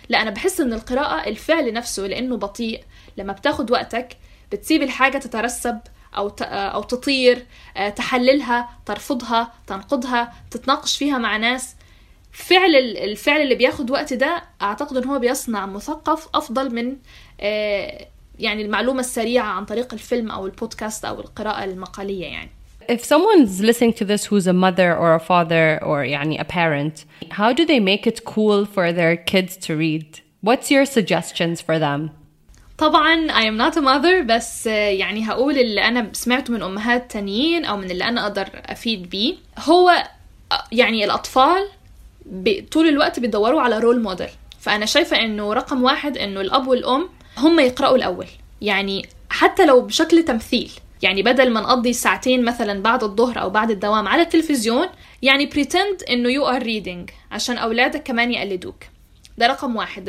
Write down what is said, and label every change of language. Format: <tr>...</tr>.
<ar>لا, أنا بحس أن القراءة الفعل نفسه لأنه بطيء, لما بتاخد وقتك بتسيب الحاجة تترسب أو تطير, تحللها, ترفضها, تنقضها, تتناقش فيها مع ناس, الفعل اللي بياخد وقت ده أعتقد أنه هو بيصنع مثقف أفضل من يعني المعلومة السريعة عن طريق الفيلم أو البودكاست أو القراءة المقالية. يعني</ar> <en>if someone's listening to this who's a mother or a father or</en> <ar>يعني</ar> <en>a parent, how do they make it cool for their kids to read? What's your suggestions for them?</en> <ar>طبعا</ar> <en>I am not a mother,</en> <ar>بس يعني هقول اللي أنا سمعته من أمهات تانيين أو من اللي أنا أقدر أفيد به, هو يعني الأطفال طول الوقت بيدوروا على رول موديل, فأنا شايفة أنه رقم واحد أنه الأب والأم هم يقرأوا الأول، يعني حتى لو بشكل تمثيل، يعني بدل ما نقضي ساعتين مثلا بعد الظهر أو بعد الدوام على التلفزيون، يعني</ar> <en>pretend</en> <ar>أنه</ar> <en>you are reading</en> <ar>عشان أولادك كمان يقلدوك. ده رقم واحد.</ar>